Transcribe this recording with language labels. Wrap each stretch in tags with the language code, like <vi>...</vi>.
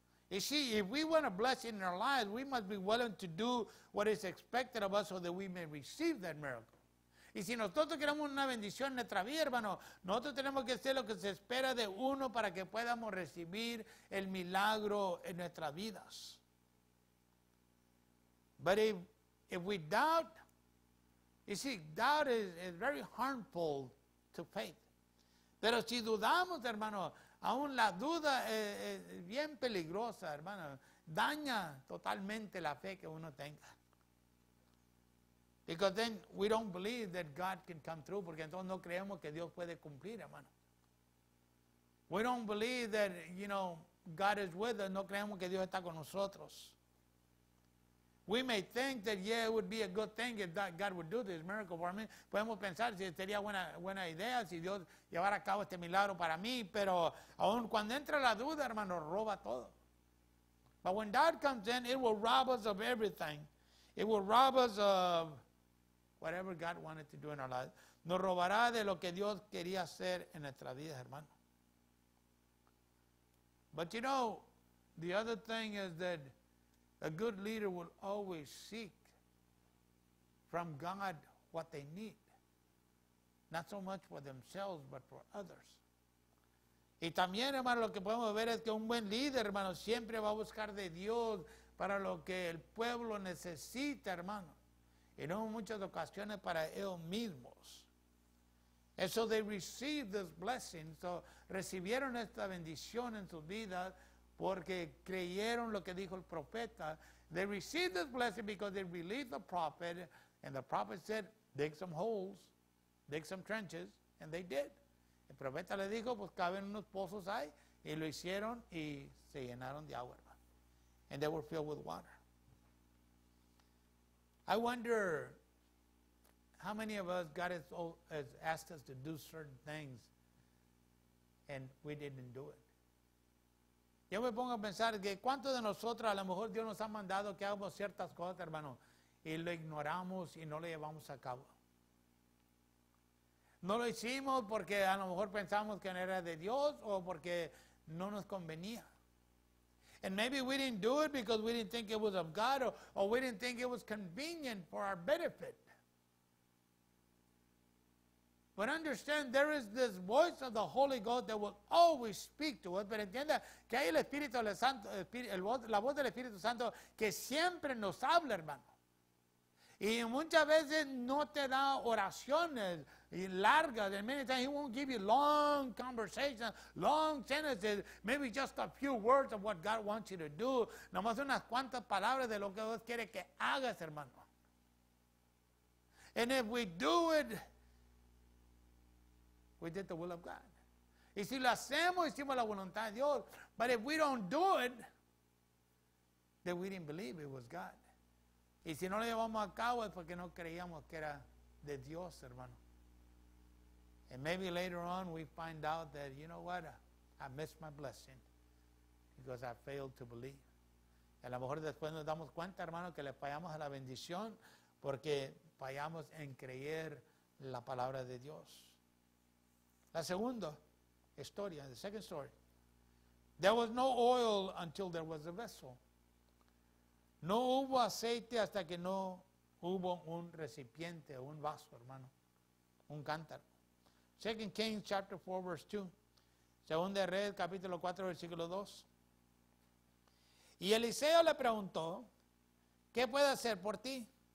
<en>You see, if we want a blessing in our lives, we must be willing to do what is expected of us so that we may receive that miracle.</en> <es>Y si nosotros queremos una bendición en nuestra vida, hermano, nosotros tenemos que hacer lo que se espera de uno para que podamos recibir el milagro en nuestras vidas.</es> <en>But if we doubt, you see, doubt is very harmful to faith.</en> <es>Pero si dudamos, hermano, aún la duda es bien peligrosa, hermano. Daña totalmente la fe que uno tenga.</es> <en>Because then we don't believe that God can come through.</en> <es>Porque entonces no creemos que Dios puede cumplir, hermano.</es> <en>We don't believe that, you know, God is with us.</en> <es>No creemos que Dios está con nosotros.</es> <en>We may think that, yeah, it would be a good thing if God would do this miracle for me.</en> <es>Podemos pensar si sería buena idea si Dios llevara a cabo este milagro para mí. Pero aun cuando entra la duda, hermano, roba todo.</es> <en>But when doubt comes in, it will rob us of everything. It will rob us of whatever God wanted to do in our lives.</en> <es>Nos robará de lo que Dios quería hacer en nuestra vida, hermano.</es> <en>But you know, the other thing is that a good leader will always seek from God what they need. Not so much for themselves, but for others.</en> <es>Y también, hermano, lo que podemos ver es que un buen líder, hermano, siempre va a buscar de Dios para lo que el pueblo necesita, hermano. Y no en muchas ocasiones para ellos mismos.</es> <en>And so they received this blessing.</en> <es>So recibieron esta bendición en su vida. Porque creyeron lo que dijo el profeta.</es> <en>They received this blessing because they believed the prophet. And the prophet said, dig some holes, dig some trenches. And they did.</en> <es>El profeta le dijo, pues caben unos pozos ahí. Y lo hicieron y se llenaron de agua.</es> <en>And they were filled with water. I wonder how many of us God has asked us to do certain things and we didn't do it.</en> <es>Yo me pongo a pensar que cuántos de nosotros a lo mejor Dios nos ha mandado que hagamos ciertas cosas, hermano, y lo ignoramos y no lo llevamos a cabo. No lo hicimos porque a lo mejor pensamos que no era de Dios o porque no nos convenía.</es> <en>And maybe we didn't do it because we didn't think it was of God or we didn't think it was convenient for our benefit. But understand, there is this voice of the Holy Ghost that will always speak to us.</en> <es>Pero entienda que hay el Espíritu Santo, la voz del Espíritu Santo que siempre nos habla, hermano. Y muchas veces no te da oraciones largas.</es> <en>And many times he won't give you long conversations, long sentences, maybe just a few words of what God wants you to do.</en> <es>Nomás unas cuantas palabras de lo que Dios quiere que hagas, hermano.</es> <en>And if we do it, we did the will of God.</en> <es>Y si lo hacemos, hicimos la voluntad de Dios.</es> <en>But if we don't do it, that we didn't believe it was God.</en> <es>Y si no lo llevamos a cabo es porque no creíamos que era de Dios, hermano.</es> <en>And maybe later on we find out that, you know what, I missed my blessing because I failed to believe.</en> <es>Y a lo mejor después nos damos cuenta, hermano, que le fallamos a la bendición porque fallamos en creer la palabra de Dios. La segunda historia,</es> <en>the second story. There was no oil until there was a vessel.</en> <es>No hubo aceite hasta que no hubo un recipiente, un vaso, hermano, un cántaro.</es> <en>2 Kings chapter 4, verse 2.</en> <es>Segunda Reyes, capítulo 4, versículo 2. Y Eliseo le preguntó, ¿qué puedo hacer por ti?</es>